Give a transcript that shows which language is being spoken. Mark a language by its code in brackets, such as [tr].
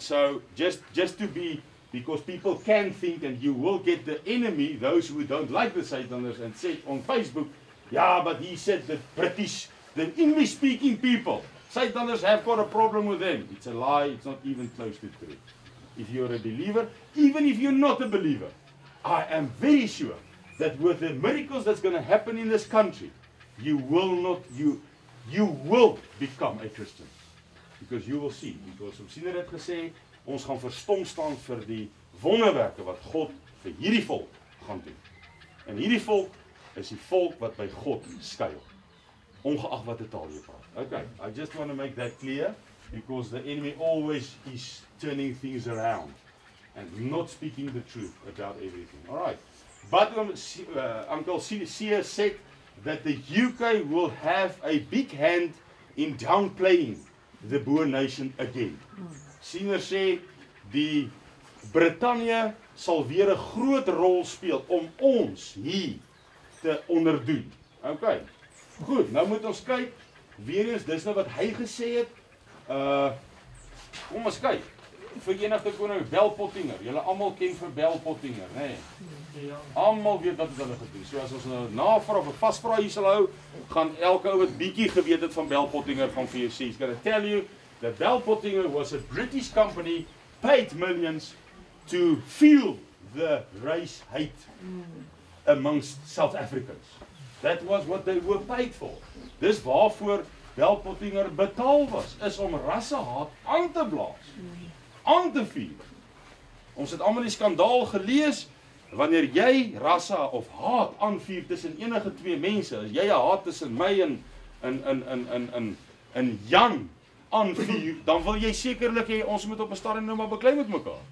[en] So just to be, because people can think and you will get the enemy, those who don't like the Satanists, and say on Facebook, yeah, but he said the British, the English speaking people, Satanists have got a problem with them. It's a lie, it's not even close to truth. If you're a believer, even if you're not a believer, I am very sure that with the miracles that's going to happen in this country, You will become a Christian. Because you will see. [af] Because ons siener het gesê, ons gaan verstom staan vir die wonderwerke wat God vir hierdie volk gaan doen. En hierdie volk is die volk wat by God skuil. Ongeacht wat die taal jy praat. [en] Okay, I just want to make that clear. Because the enemy always is turning things around. And not speaking the truth about everything. Alright. But Uncle Sia said, that the UK will have a big hand in downplaying the Boer nation again. [af] Siener sê, die Brittanje sal weer een groot rol speel om ons hier te onderdoen. Ok, goed, nou moet ons kyk, weer eens, dis nou wat hy gesê het, kom ons kyk, Verenigde Koninkryk, Bell Pottinger, julle allemaal ken vir Bell Pottinger, nee, allemaal weet wat het hulle gedoen, so as ons nou navraag, een vastvraag hier sal hou, gaan elke ou wat bietjie geweet het van Bell Pottinger van VSC, [en] he's gonna tell you, that Bell Pottinger was a British company, paid millions to feel the race hate amongst South Africans. That was what they were paid for. [af] Dis waarvoor Bellpottinger betaal was, is om rassehaat aan te blaas, aan te vuur. Ons het allemaal die skandaal gelees, wanneer jy rasse of haat aanvuur tussen enige twee mense, as jy haat tussen my en Jan aanvuur, dan wil jy sekerlik hê ons moet op 'n stadium nou maar beklei met mekaar.